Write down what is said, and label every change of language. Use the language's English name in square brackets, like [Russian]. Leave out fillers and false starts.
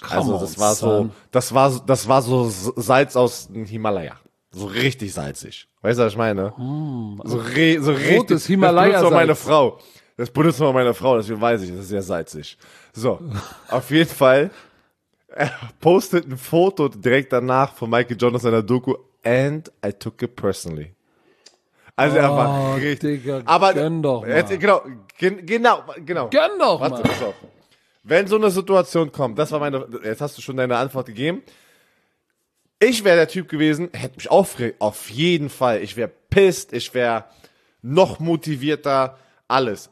[German] Das war so Salz aus dem Himalaya. So richtig salzig. Weißt du, was ich meine? So richtig. Rotes Himalaya-Salz. Das benutzt nur meine Frau, deswegen weiß ich, das ist sehr salzig. So, auf jeden Fall. Er postet ein Foto direkt danach von Michael Jordan seiner Doku. [English] And I took it personally. [German] Also er war richtig. Digga, aber gönn doch mal. Genau. Gönn doch mal. Warte, pass auf. Wenn so eine Situation kommt, jetzt hast du schon deine Antwort gegeben. Ich wäre der Typ gewesen, hätte mich aufgeregt, auf jeden Fall. Ich wäre pissed, ich wäre noch motivierter, alles.